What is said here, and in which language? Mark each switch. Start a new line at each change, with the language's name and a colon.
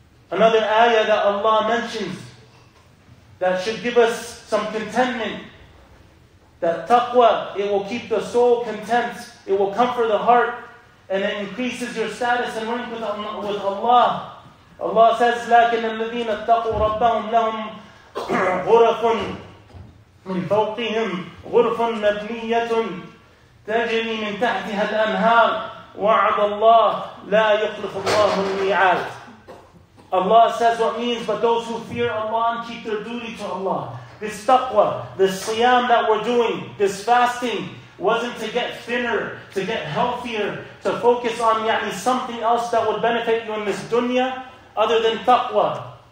English: Another ayah that Allah mentions that should give us some contentment, that taqwa, it will keep the soul content, it will comfort the heart, and it increases your status and rank with Allah. Allah says,
Arabic: لَكِنَ الَّذِينَ اتَّقُوا رَبَّهُمْ لَهُمْ غُرَفٌ مِنْ فَوْقِهِمْ غُرْفٌ مَبْنِيَّةٌ تَجْرِي مِنْ تَحْتِهَا الْأَنْهَارِ وَعَدَ اللَّهِ لَا يُخْلِفُ اللَّهُ الْمِيعَادِ.
English: Allah says what means, but those who fear Allah and keep their duty to Allah. This taqwa, this siyam that we're doing, this fasting, wasn't to get thinner, to get healthier, to focus on يعني, something else that would benefit you in this dunya, other than taqwa.